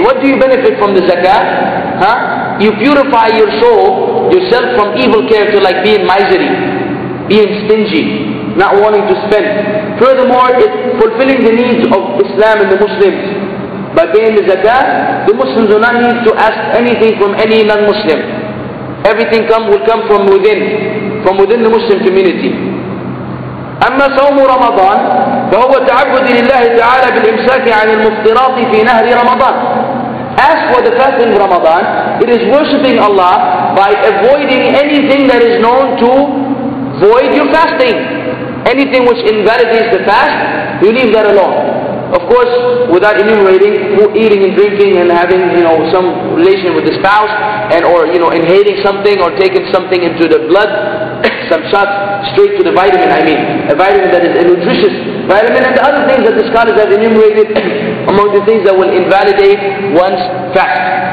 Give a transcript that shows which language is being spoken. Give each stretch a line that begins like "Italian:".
English: What do you benefit from the zakat? You purify your soul, yourself, from evil character like being miserly, being stingy, not wanting to spend. Furthermore, it fulfilling the needs of Islam and the Muslims. By paying the zakat, the Muslims do not need to ask anything from any non-Muslim. Everything will come from within the Muslim community.
Arabic: أما صوم رمضان فهو تعبد لله تعالى بالإمساك عن المفطرات في نهر رمضان.
English: As for the fasting of Ramadan, it is worshipping Allah by avoiding anything that is known to void your fasting. Anything which invalidates the fast, you leave that alone. Of course, without enumerating eating and drinking and having, you know, some relation with the spouse, and or, you know, inhaling something or taking something into the blood, some shots straight to the vitamin, a vitamin that is a nutritious vitamin, and the other things that the scholars have enumerated among the things that will invalidate one's fast.